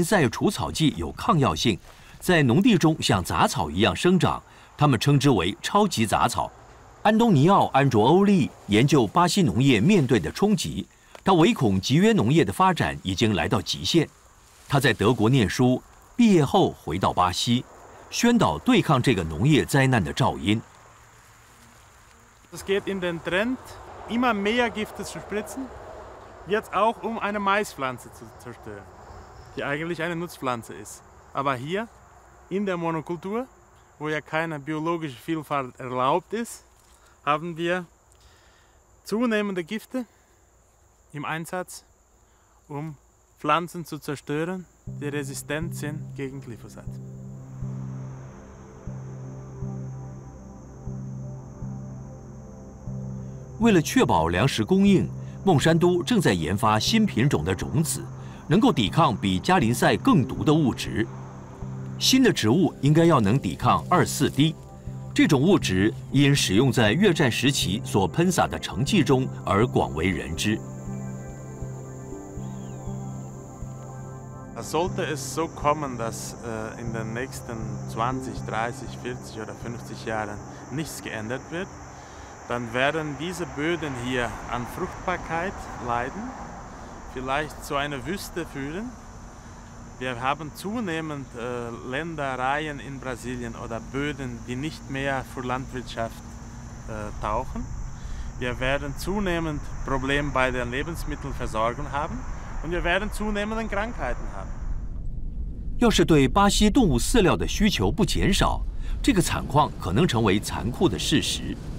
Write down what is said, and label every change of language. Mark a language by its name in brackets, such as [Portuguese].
[Chinese] 这个作物所需的特性以人工方式转植到大豆植株。这种基因让成长中的作物不怕加林塞的喷洒，当周围的杂草死光光，作物还能继续生长。但现在，农民抱怨先前的作物，例如玉米，对加林塞除草剂有抗药性。在农地中像杂草一样生长，他们称之为超级杂草。安东尼奥·安卓欧利研究巴西农业面对的冲击，他唯恐集约农业的发展已经来到极限。他在德国念书，毕业后回到巴西，宣导对抗这个农业灾难的噪音。 [German] Es geht in den Trend, immer mehr Gifte zu spritzen, jetzt auch um eine Maispflanze zu zerstören, die eigentlich eine Nutzpflanze ist, aber hier in der Monokultur, wo ja keine biologische Vielfalt erlaubt ist, haben wir zunehmende Gifte im Einsatz, um Pflanzen zu zerstören, die resistent sind gegen Glyphosat. Um sicherzustellen, [Chinese] Monsanto正在研发新品种的种子，能够抵抗比加林塞更毒的物质。新的植物应该要能抵抗24D，这种物质因使用在越战时期所喷洒的成剂中而广为人知。 [German] Sollte es so kommen, dass in den nächsten 20, 30, 40 oder 50 Jahren nichts geändert wird, dann werden diese Böden hier an Fruchtbarkeit leiden vielleicht zu einer Wüste führen. Wir haben zunehmend Ländereien in Brasilien oder Böden, die nicht mehr für Landwirtschaft tauchen. Wir werden zunehmend Probleme bei der Lebensmittelversorgung haben und wir werden zunehmend Krankheiten haben. [Chinese] 要是对巴西动物饲料的需求不减少, 这个惨况可能成为残酷的事实。